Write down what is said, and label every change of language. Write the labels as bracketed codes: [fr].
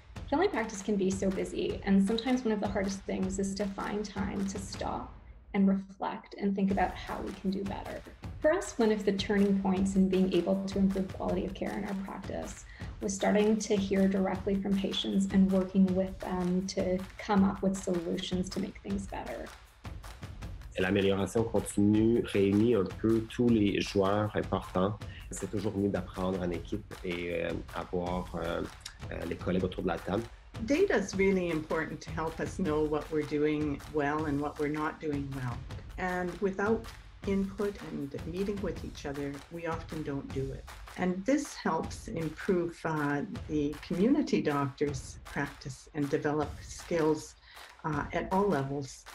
[en] Family practice can be so busy, and sometimes one of the hardest things is to find time to stop and reflect and think about how we can do better. For us, one of the turning points in being able to improve quality of care in our practice was starting to hear directly from patients and working with them to come up with solutions to make things better. [fr] L'amélioration continue réunit un peu tous les joueurs importants. C'est toujours mieux d'apprendre en équipe et avoir les collègues autour de la table. [en] Data is really important to help us know what we're doing well and what we're not doing well. And without input and meeting with each other, we often don't do it. And this helps improve the community doctor's practice and develop skills at all levels.